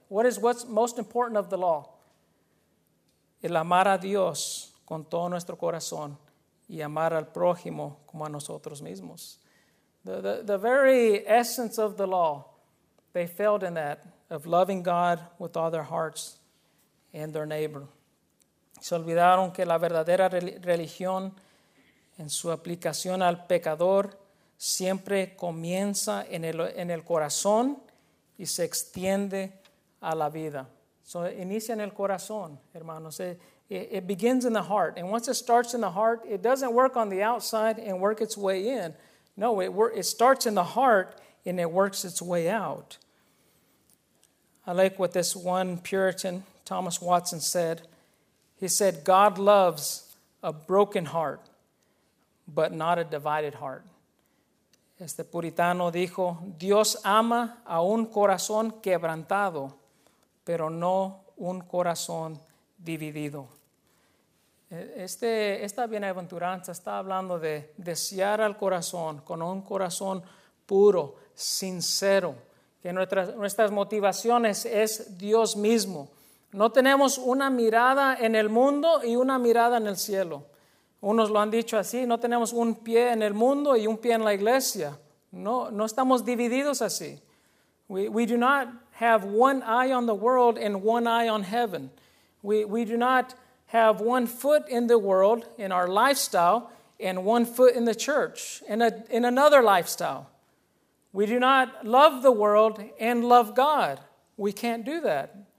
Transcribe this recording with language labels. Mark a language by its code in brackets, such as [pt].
[en] What's most important of the law? [es] El amar a Dios con todo nuestro corazón y amar al prójimo como a nosotros mismos. [en] The very essence of the law, they failed in that, of loving God with all their hearts and their neighbor. [es] Se olvidaron que la verdadera religión en su aplicación al pecador siempre comienza en el corazón y se extiende a la vida. [en] So it [es] inicia en el corazón, hermanos. [en] It begins in the heart. And once it starts in the heart, it doesn't work on the outside and work its way in. No, it starts in the heart and it works its way out. I like what this one Puritan, Thomas Watson, said. He said, God loves a broken heart, but not a divided heart. [es] Este puritano dijo, Dios ama a un corazón quebrantado, pero no un corazón dividido. Esta bienaventuranza está hablando de desear al corazón con un corazón puro, sincero, que nuestras motivaciones es Dios mismo. No tenemos una mirada en el mundo y una mirada en el cielo. Unos lo han dicho así, no tenemos un pie en el mundo y un pie en la iglesia. No estamos divididos así. [en] We do not have one eye on the world and one eye on heaven. We do not have one foot in the world, in our lifestyle, and one foot in the church, in another lifestyle. We do not love the world and love God. We can't do that.